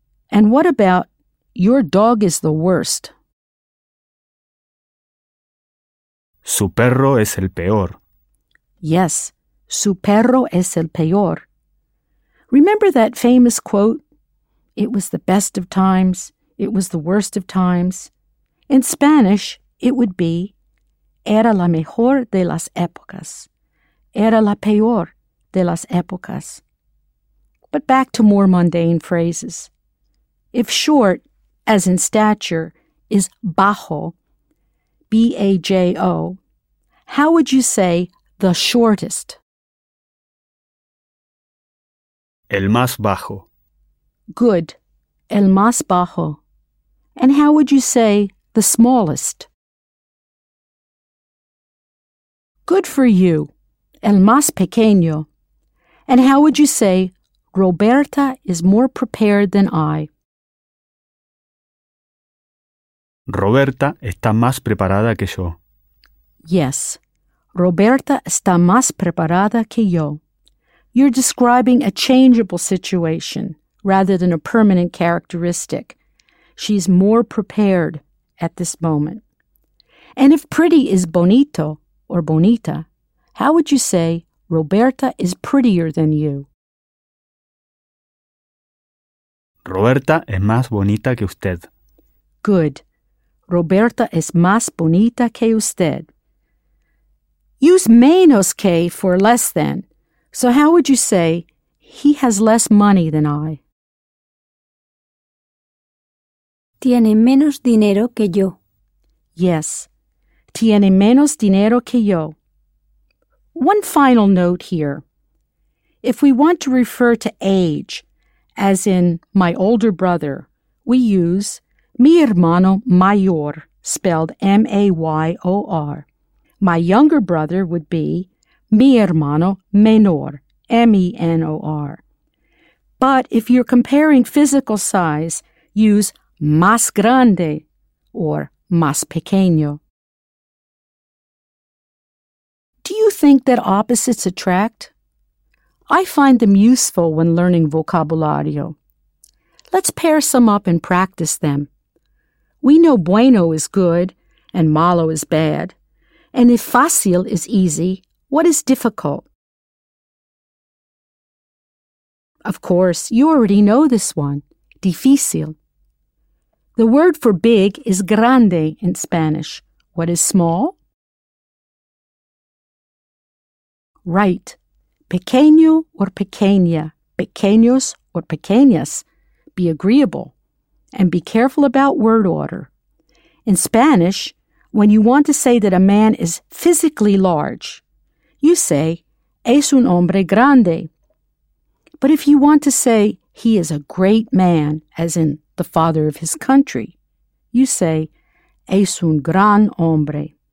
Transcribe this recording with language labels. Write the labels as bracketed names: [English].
[English] And what about your dog is the worst? [Spanish] Su perro es el peor. Yes, su perro es el peor. [English] Remember that famous quote, it was the best of times, it was the worst of times. In Spanish, it would be, [Spanish] era la mejor de las épocas. Era la peor de las épocas. [English] But back to more mundane phrases. If short, as in stature, is bajo, B-A-J-O, how would you say the shortest? [Spanish] El más bajo. [English] Good. [Spanish] El más bajo. [English] And how would you say the smallest? Good for you. [Spanish] El más pequeño. [English] And how would you say, Roberta is more prepared than I? [Spanish] Roberta está más preparada que yo. [English] Yes. [Spanish] Roberta está más preparada que yo. [English] You're describing a changeable situation rather than a permanent characteristic. She's more prepared at this moment. And if pretty is bonito or bonita, how would you say Roberta is prettier than you? [Spanish] Roberta es más bonita que usted. [English] Good. [Spanish] Roberta es más bonita que usted. [English] Use menos que for less than. So how would you say, he has less money than I? [Spanish] Tiene menos dinero que yo. [English] Yes. [Spanish] Tiene menos dinero que yo. [English] One final note here. If we want to refer to age, as in my older brother, we use [Spanish] mi hermano mayor, [English] spelled M-A-Y-O-R. My younger brother would be [Spanish] mi hermano menor, [English] M-E-N-O-R. But if you're comparing physical size, use [Spanish] más grande [English] or [Spanish] más pequeño. [English] Do you think that opposites attract? I find them useful when learning vocabulario. Let's pair some up and practice them. We know bueno is good and malo is bad. And if fácil is easy, what is difficult? Of course, you already know this one, difícil. The word for big is grande in Spanish. What is small? Right. [Spanish] Pequeño or pequeña, pequeños or pequeñas. [English] Be agreeable. And be careful about word order. In Spanish, when you want to say that a man is physically large, you say, [Spanish] es un hombre grande. [English] But if you want to say he is a great man, as in the father of his country, you say, [Spanish] es un gran hombre.